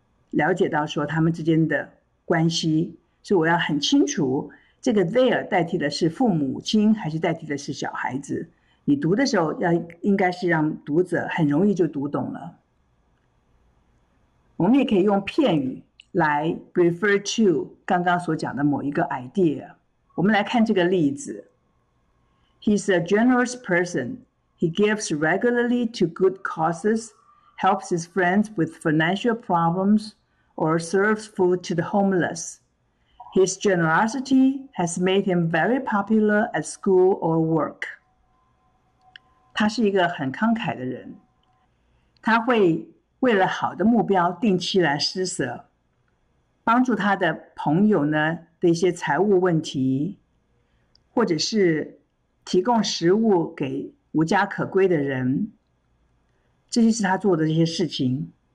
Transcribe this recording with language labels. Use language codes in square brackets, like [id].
[zh] 了解到说他们之间的关系，所以我要很清楚这个 there 代替的是父母亲还是代替的是小孩子，你读的时候要应该是让读者很容易就读懂了。我们也可以用片语来 [en] refer to [zh] 刚刚所讲的某一个 idea。我们来看这个例子： [en] He's a generous person. He gives regularly to good causes, helps his friends with financial problems, or serves food to the homeless. His generosity has made him very popular at school or work. [zh] 他是一个很慷慨的人，他会。为了好的目标，定期来施舍，帮助他的朋友呢的一些财务问题，或者是提供食物给无家可归的人，这些是他做的这些事情。